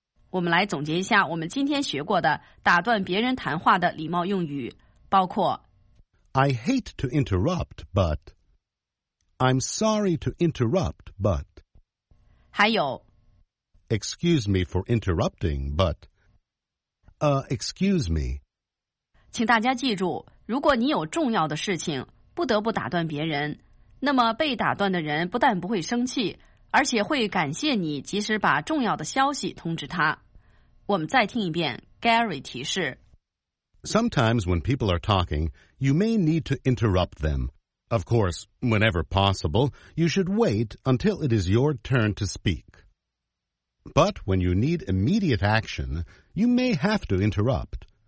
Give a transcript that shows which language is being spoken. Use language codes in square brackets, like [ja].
[zh] 我们来总结一下我们今天学过的打断别人谈话的礼貌用语，包括 [en] I hate to interrupt, but I'm sorry to interrupt, but [zh] 还有 [en] Excuse me for interrupting, but excuse me. [zh] 请大家记住，如果你有重要的事情，不得不打断别人，那么被打断的人不但不会生气，而且会感谢你及时把重要的消息通知他。我们再听一遍 Gary 提示。 [en] Sometimes when people are talking, you may need to interrupt them. Of course, whenever possible, you should wait until it is your turn to speak. But when you need immediate action, you may have to interrupt.